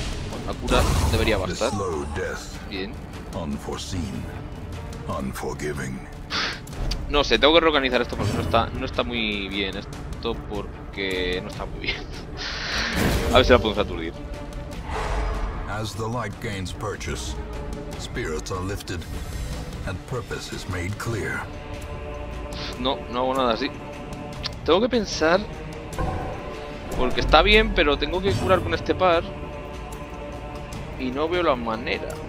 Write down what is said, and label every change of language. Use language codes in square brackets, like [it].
[es] Con la cura debería bastar. Bien. [en] Unforeseen. Unforgiving. [es] No sé, tengo que reorganizar esto porque no está muy bien esto, porque no está muy bien. A ver si la podemos aturdir. [en] As the light gains purchase, spirits are lifted and purpose is made clear. [es] No, no hago nada así. Tengo que pensar, porque está bien, pero tengo que curar con este par y no veo la manera.